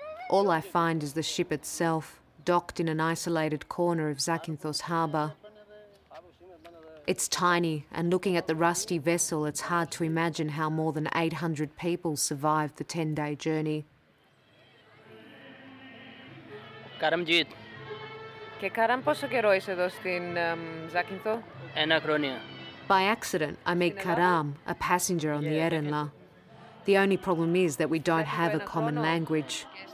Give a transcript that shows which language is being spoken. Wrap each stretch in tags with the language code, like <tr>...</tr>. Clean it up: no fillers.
<en>All I find is the ship itself, docked in an isolated corner of Zakynthos harbour. It's tiny, and looking at the rusty vessel, it's hard to imagine how more than 800 people survived the 10-day journey. Karamjit.</en> <el>Και Karam, πόσο καιρό είσαι εδώ στην Ζάκυνθο? Ένα χρόνια.</el> <en>By accident, I meet Karam, a passenger on the Erenla. The only problem is that we don't have a common language.</en>